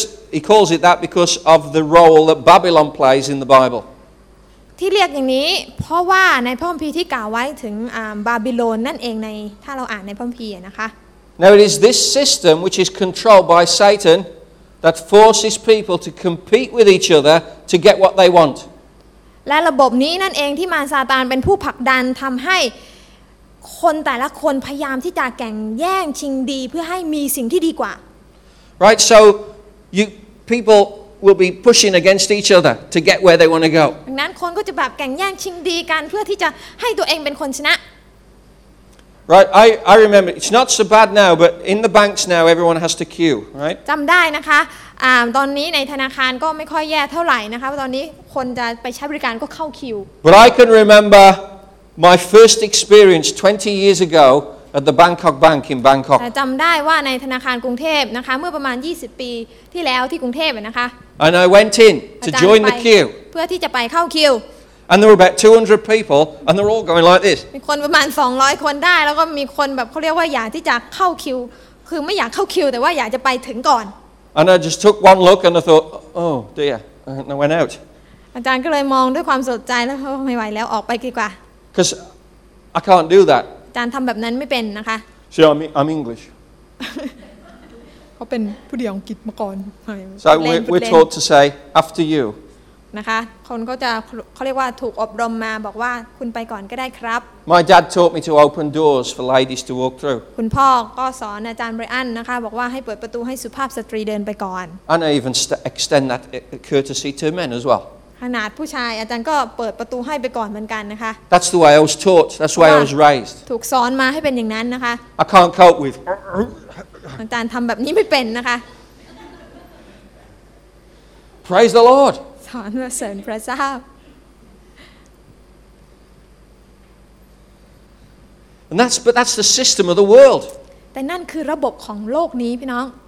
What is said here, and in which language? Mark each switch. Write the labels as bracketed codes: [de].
[en] He calls it that because of the role that Babylon plays in the Bible. [th] ที่เรียกอย่างนี้เพราะว่าในพระคัมภีร์ที่กล่าวไว้ถึงบาบิโลนนั่นเองในถ้าเราอ่านในพระคัมภีร์นะคะ [en] Now it is this system which is controlled by Satan that forces people to compete with each other to get what they want [th] และระบบนี้นั่นเองที่มารซาตานเป็นผู้ผลักดันทำให้คนแต่ละคนพยายามที่จะแข่งแย่งชิงดีเพื่อให้มีสิ่งที่ดีกว่า [en] Right so you peoplewill be pushing against each other to get where they want to go. [th] ดังนั้นคนก็จะแบบแข่งแย่งชิงดีกันเพื่อที่จะให้ตัวเองเป็นคนชนะ [en] Right, I remember it's not so bad now but in the banks now everyone has to queue, right? [th] จำได้นะคะตอนนี้ในธนาคารก็ไม่ค่อยแย่เท่าไหร่นะคะตอนนี้คนจะไปใช้บริการก็เข้าคิว [en] But I can remember my first experience 20 years ago at the Bangkok Bank in Bangkok. [th] จำได้ว่าในธนาคารกรุงเทพนะคะเมื่อประมาณ20ปีที่แล้วที่กรุงเทพนะคะ [en] And I went in to join the queue [th] เพื่อที่จะไปเข้าคิว [en] and there were about 200 people and they're all going like this [th] มีคนประมาณ200คนได้แล้วก็มีคนแบบเค้าเรียกว่าอยากที่จะเข้าคิวคือไม่อยากเข้าคิวแต่ว่าอยากจะไปถึงก่อน [en] And I just took one look and I thought oh dear and I went out [th] อาจารย์ก็เลยมองด้วยความสนใจแล้วไม่ไหวแล้วออกไปดีกว่า [en] Because I can't do that [th] อาจารย์ทำแบบนั้นไม่เป็นนะคะ [en] See I'm English [th] เขาเป็นผู้เรียนอังกฤษมาก่อน [en] So we're taught to say after you [th] นะคะคนก็จะเขาเรียกว่าถูกอบรมมาบอกว่าคุณไปก่อนก็ได้ครับ [en] My dad taught me to open doors for ladies to walk through [th] คุณพ่อก็สอนอาจารย์ไบรอันนะคะบอกว่าให้เปิดประตูให้สุภาพสตรีเดินไปก่อน [en] And I even extend that courtesy to men as well [th] ขนาดผู้ชายอาจารย์ก็เปิดประตูให้ไปก่อนเหมือนกันนะคะ [en] That's the way I was taught That's why I was raised [th] ถูกสอนมาให้เป็นอย่างนั้นนะคะ [en] I can't cope with [th] อาจารย์ทำแบบนี้ไม่เป็นนะคะ [en] Praise the Lord [th] สอนเสริมพระเจ้า [en] And that's the system of the world [th] แต่นั่นคือระบบของโลกนี้พี่น้อง